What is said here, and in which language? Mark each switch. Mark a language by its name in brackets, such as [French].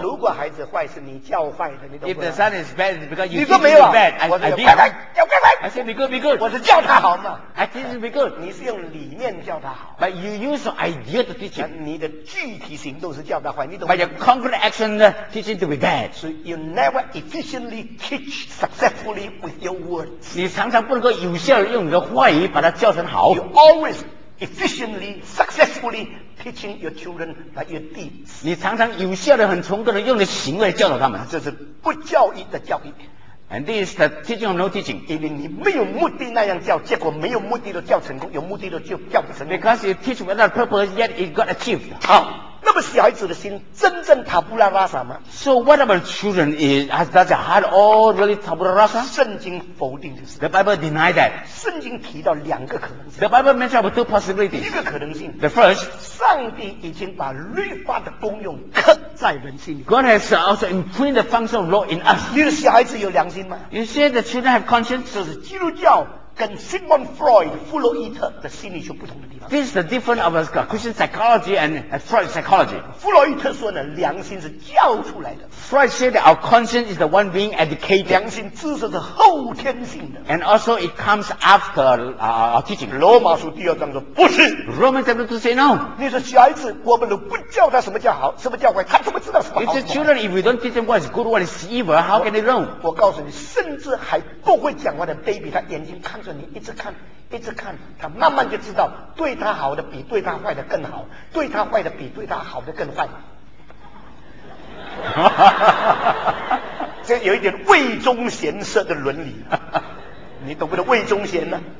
[Chinese] 如果孩子坏，是你教坏的，你都不知道。 [English] If the son is bad, it's because you teach him bad. [Chinese] 你说没有啊？我 [English] I did. [Chinese] 乖乖，要乖乖。 [English] I said be good, be good. [Chinese] 我是教他好嘛。 [English] I teach him be good. [Chinese] 你是用理念教他好。 [English] But you use idea to teach him. [Chinese] 你的具体行动是教他坏，你懂 [English] 吗？ But your concrete action teach him to be bad. So you never efficiently teach successfully with your words. [Chinese] 你常常不能够有效用你的话语把他教成好。 [English] You always. Efficiently, successfully teaching your children by your deeds. [Chinese] 你常常有效的、很成功的用你的行为教导他们。这是不教育的教育。 [English] And this is the teaching of no teaching. [Chinese] 因为你没有目的那样教，结果没有目的的教成功，有目的的就教不成功。 [English] Because you teach without purpose, yet it got achieved. [Chinese] 好，那么小孩子的心真正塔布拉拉萨吗 [English] ？So what about children? Is does their heart all really tabula rasa? [Chinese] 圣经否定的是。 [English] The Bible deny that. [Chinese] 圣经提到两个可能性。 [English] The Bible mentions about two possibilities. [Chinese] 一个可能性。 [English] The first. [Chinese] 上帝已经把律法的功用刻在人心里。 [English] God has also imprinted the function of law in us. [Chinese] 你的小孩子有良心吗 [English] ？You say the children have conscience. [Chinese] 这是基督教。跟 Sigmund Freud 弗洛伊特的心理学不同的地方 [English] This is the difference of Christian psychology and Freud psychology [Chinese] 弗洛伊特说呢良心是教出来的 [English] Freud said that our conscience is the one being educated [Chinese] 良心知识是后天性的 [English] And also it comes after our teaching [Chinese] 罗马书第二章说不是 [English] Romans chapter 2 say no [Chinese] 你说小孩子我们都不教他什么叫好什么叫坏他怎么知道什么好 [English] It says children if we don't teach them what is good what is evil how can they know [Chinese] 我告诉你甚至还不会讲话的 baby 他眼睛看你一直看，一直看，他慢慢就知道，对他好的比对他坏的更好，对他坏的比对他好的更坏。这有一点魏忠贤式的伦理，你懂不懂魏忠贤呢？